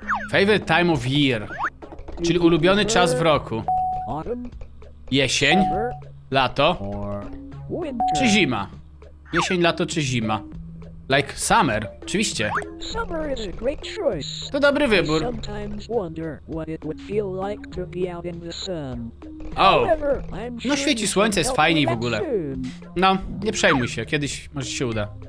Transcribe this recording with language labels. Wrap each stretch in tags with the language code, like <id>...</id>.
<en>Favorite time of year.</en> <pl>Czyli ulubiony czas w roku. Jesień. Lato. Czy zima? Jesień, lato czy zima?</pl> <en>Like summer,</en> <pl>oczywiście.</pl> <en>Summer is a great choice.</en> <pl>To dobry wybór.</pl> <en>I sometimes wonder what it would feel like to be out in the sun. Oh.</en> <pl>No świeci słońce, jest fajniej w ogóle. No, nie przejmuj się, kiedyś może się uda.</pl>